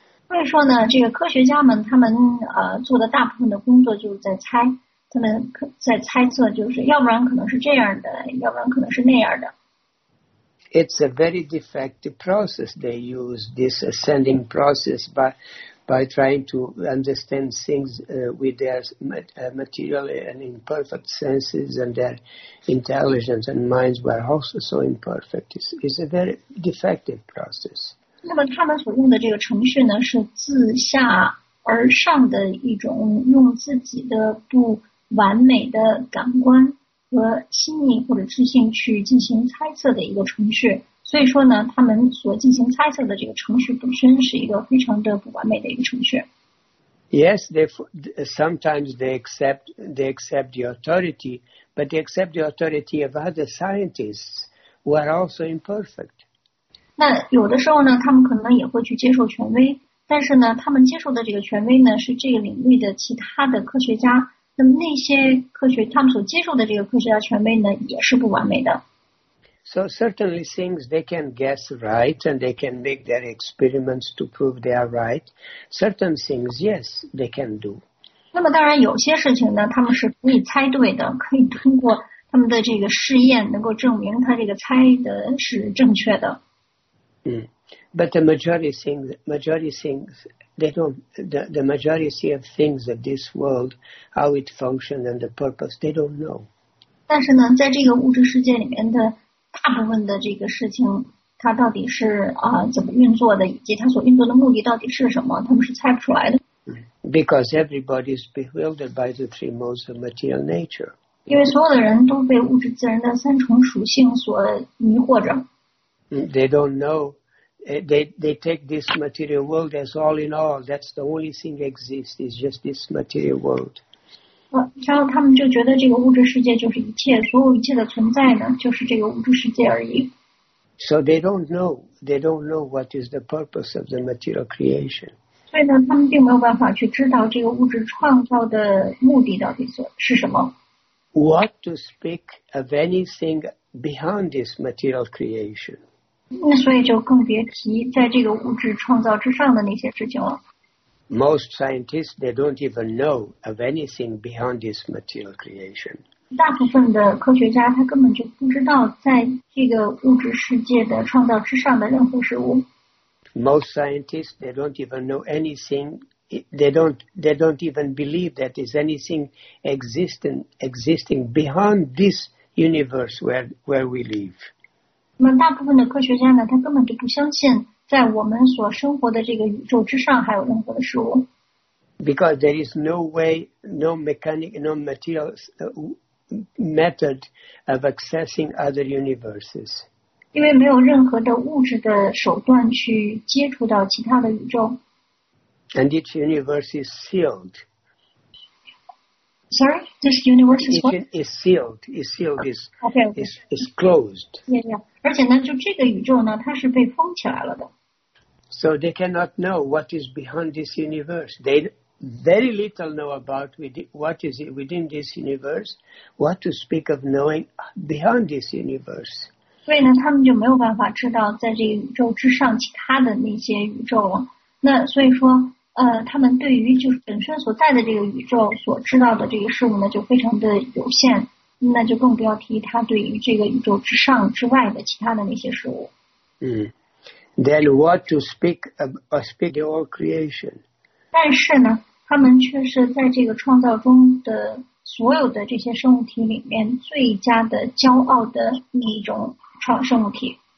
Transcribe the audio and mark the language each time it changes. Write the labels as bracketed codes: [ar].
[zh] 所以说呢，这个科学家们他们做的大部分的工作就是在猜。他们在猜测，就是要不然可能是这样的，要不然可能是那样的。 [en] It's a very defective process. They use this ascending process by trying to understand things with their material and imperfect senses and their intelligence and minds were also so imperfect. It's a very defective process. [zh] 那么他们所用的这个程序呢，是自下而上的一种用自己的不完美的感官和心意或者知性去进行猜测的一个程序，所以说呢，他们所进行猜测的这个程序本身是一个非常的不完美的一个程序。 [en] Yes, sometimes they accept the authority, but they accept the authority of other scientists who are also imperfect. [zh] 那有的时候呢，他们可能也会去接受权威，但是呢，他们接受的这个权威呢，是这个领域的其他的科学家。那么那些科学，他们所接受的这个科学家权威呢，也是不完美的。 [en] So certainly things they can guess right, and they can make their experiments to prove they are right. Certain things, yes, they can do. [zh] 那么当然有些事情呢，他们是可以猜对的，可以通过他们的这个试验能够证明他这个猜的是正确的。 [en] But the majority things. The majority of things of this world, how it functions and the purpose, they don't know. [zh] 但是呢，在这个物质世界里面的大部分的这个事情，它到底是怎么运作的，以及它所运作的目的到底是什么，他们是猜不出来的。 [en] Because everybody is bewildered by the three modes of material nature. [zh] 因为所有的人都被物质自然的三重属性所迷惑着。 [en] They don't know. They take this material world as all in all. That's the only thing that exists is just this material world. [zh] 然后他们就觉得这个物质世界就是一切，所有一切的存在呢，就是这个物质世界而已。 [en] So they don't know. They don't know what is the purpose of the material creation. [zh] 所以呢，他们并没有办法去知道这个物质创造的目的到底是什么。 [en] What to speak of anything behind this material creation? [zh] 那所以就更别提在这个物质创造之上的那些事情了。 [en] Most scientists, they don't even know of anything beyond this material creation. [zh] 大部分的科学家他根本就不知道在这个物质世界的创造之上的任何事物。 [en] Most scientists, they don't even know anything. They don't even believe that there's anything existing beyond this universe where we live. [zh] 那么大部分的科学家呢，他根本就不相信在我们所生活的这个宇宙之上还有任何的事物。 [en] Because there is no way, no mechanic, no material method of accessing other universes. [zh] 因为没有任何的物质的手段去接触到其他的宇宙。 [en] And each universe is sealed. Sorry, this universe is what? It is sealed. It's sealed. It's, okay. It's closed. Yeah, yeah. [zh] 而且呢，就这个宇宙呢，它是被封起来了的。 [en] So they cannot know what is behind this universe. They very little know about what is within this universe. What to speak of knowing behind this universe? [zh] 所以呢，他们就没有办法知道在这个宇宙之上其他的那些宇宙了。那所以说，他们对于就是本身所在的这个宇宙所知道的这个事物呢，就非常的有限。那就更不要提他对于这个宇宙之上之外的其他的那些事物。 [en] then what to speak of speak to all creation. [zh] 但是呢，他们却是在这个创造中的所有的这些生物体里面最佳的骄傲的那一种生物体。